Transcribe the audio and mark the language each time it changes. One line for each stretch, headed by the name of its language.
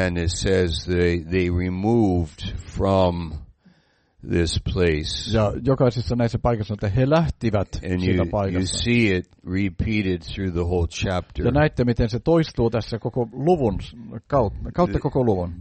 English: And it says they removed from this place.
Finnish: Ja jokaisessa näissä paikassa, että he lähtivät siitä paikasta.
English: You see it repeated through the whole chapter.
Finnish: Ja näette, miten se toistuu tässä koko luvun kautta koko luvun.